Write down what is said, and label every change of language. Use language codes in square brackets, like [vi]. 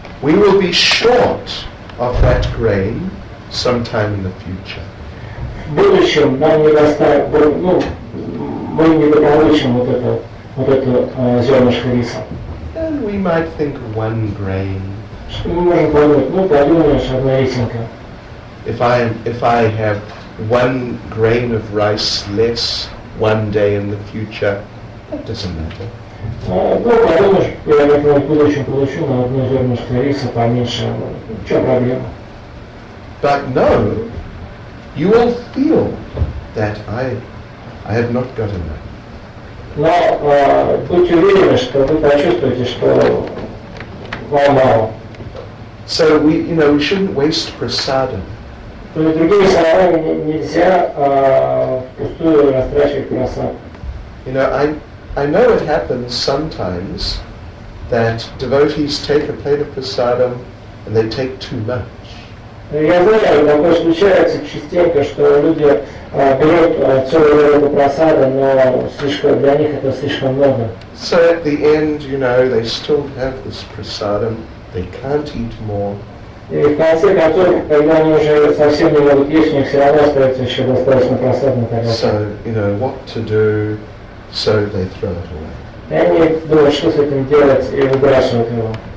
[en] We will be short of that grain sometime in the future. [ru] В будущем нам не достанет, ну, мы не дополучим вот это зернышко риса. [en] And we might think one grain. [ru] Что мы можем подумать? Ну, подумаешь, одна рисинка. [en] If I have one grain of rice less one day in the future, that doesn't matter. [ru] Ну, подумаешь, я в будущем получу на одно зернышко риса поменьше. Что проблема? [en] But no, you will feel that I have not got enough. [ru] Но будьте уверены, что вы почувствуете, что вам мало. [en] So we, you know, we shouldn't waste prasadam. [ru] То есть другими словами нельзя впустую растрачивать просад. [en] You know, I know it happens sometimes that devotees take a plate of prasadam and they take too much. [ru] Я знаю, такое случается частенько, что люди берут целую рюмку просада, но слишком для них это слишком много. [en] So at the end, you know, they still have this prasadam, they can't eat more. [ru] И в конце концов, когда они уже совсем не могут есть, у них все равно остается еще достаточно просадной тарелки. [en] So, you know, what to do, so they throw it away. [ru] И они думают, что с этим делать, и выбрасывают его.